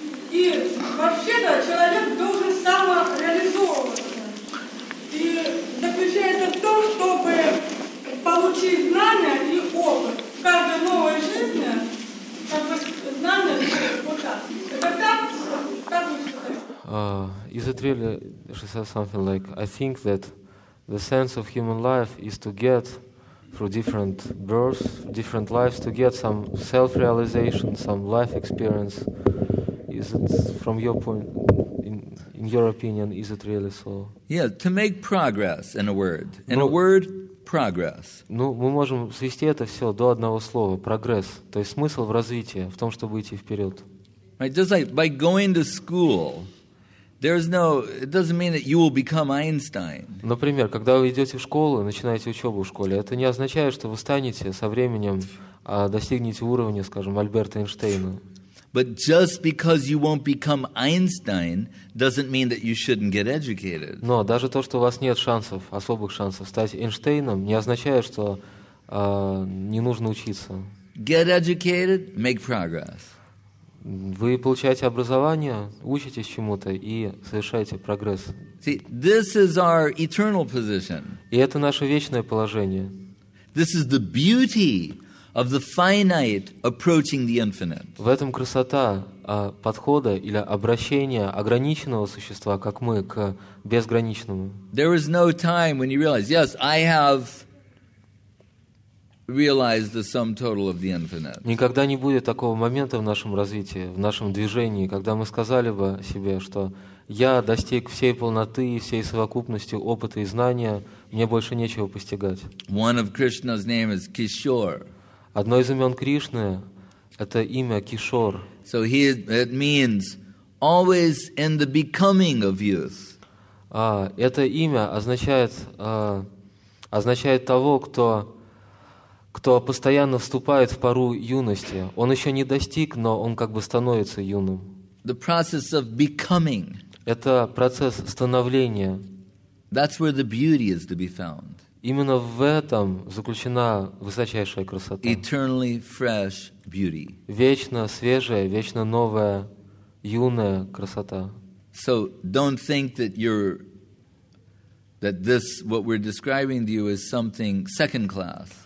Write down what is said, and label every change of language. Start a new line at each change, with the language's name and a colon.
Russian: И вообще-то человек должен самореализовываться. И заключается в том, чтобы получить знания и опыт в каждой новой жизни, как бы знания вот так. Это так? Так вы считаете?
English: Is it really, she says something like, I think that the sense of human life is to get through different births, different lives, to get some self-realization, some life experience. Is it, from your point, in your opinion, is it really so? Yeah, to make progress, in a word. Progress.
Russian: Ну, мы можем свести это все до одного слова – прогресс. То есть смысл в развитии, в том, чтобы идти вперед.
English: Right, just like by going to school, it doesn't mean that you will become Einstein.
Russian: Например, когда вы идете в школу, начинаете учебу в школе, это не означает, что вы станете со временем достигнете уровня, скажем, Альберта Эйнштейна.
English: But just because you won't become Einstein doesn't mean that you shouldn't get educated.
Russian: Но даже то, что у вас нет шансов, особых шансов стать Эйнштейном, не означает, что не нужно учиться.
English: Get educated, make progress.
Russian: Вы получаете образование, учитесь чему-то и совершаете прогресс.
English: See, this is our eternal position.
Russian: И это наше вечное положение.
English: This is the beauty of the finite approaching the infinite.
Russian: В этом красота подхода или обращения ограниченного существа, как мы, к безграничному.
English: There is no time when you realize, yes, I have realize the sum total of the infinite.
Russian: Никогда не будет такого момента в нашем развитии, в нашем движении, когда мы сказали бы себе, что я достиг всей полноты и всей совокупности опыта и знания, мне больше нечего постигать.
English: One of Krishna's name is Kishore.
Russian: Одно из имен Кришны – это имя Кишор.
English: So it means always in the becoming of youth.
Russian: Это имя означает того, кто постоянно вступает в пору юности. Он еще не достиг, но он как бы становится юным.
English: The process of becoming.
Russian: Это процесс становления.
English: That's where the beauty is to be found.
Russian: Именно в этом заключена высочайшая красота.
English: Eternally fresh beauty.
Russian: Вечно свежая, вечно новая, юная красота.
English: So don't think that this, what we're describing to you, is something second class.